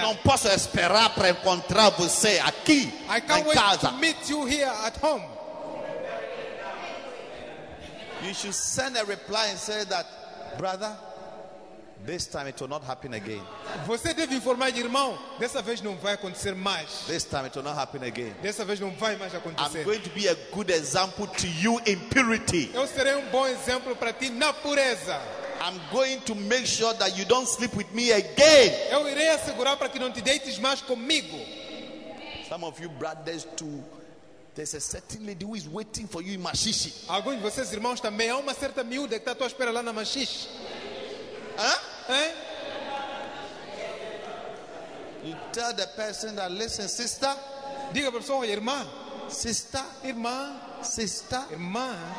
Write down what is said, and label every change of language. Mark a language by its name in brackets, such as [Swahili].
[Portuguese] Não posso esperar para encontrar você aqui em casa. [English] I can't wait to meet you here at home. You should send a reply and say that, brother, this time it will not happen again. [Portuguese] Você deve informar, irmão, dessa vez não vai acontecer mais. [English] This time it will not happen again. [Portuguese] Dessa vez não vai mais acontecer. [English] I'm going to be a good example to you in purity. [Portuguese] Eu serei bom exemplo para ti na pureza. [English] I'm going to make sure that you don't sleep with me again. [Portuguese] Eu irei assegurar para que não te deites mais comigo. [English] Some of you brothers too. There's a certain lady who is waiting for you in Machiche. [Portuguese] Alguns de vocês irmãos também, há uma certa miúda que está à tua espera lá na Machiche. Hein? [English] You tell the person that listen, sister. [Portuguese] Diga para a pessoa, irmã. [English] Sister. [Portuguese] Irmã. [English] Sister. [Portuguese] Irmã.